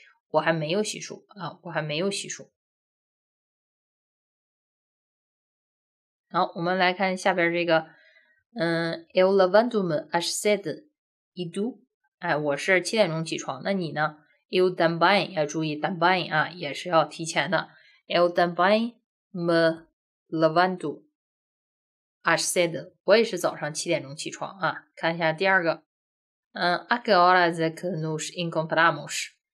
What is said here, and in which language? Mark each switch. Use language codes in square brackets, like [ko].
[zh] 我还没有洗漱啊，我还没有洗漱。好，我们来看下边这个， [pt] eu levanto-me às 7 e tu？ [zh] 哎，我是七点钟起床，那你呢 ？ [pt] Eu também [zh] 要注意 ，também 啊也是要提前的。 [pt] Eu também me levanto às 7， [zh] 我也是早上七点钟起床啊。看一下第二个。 [pt] A que horas é que nos encontramos?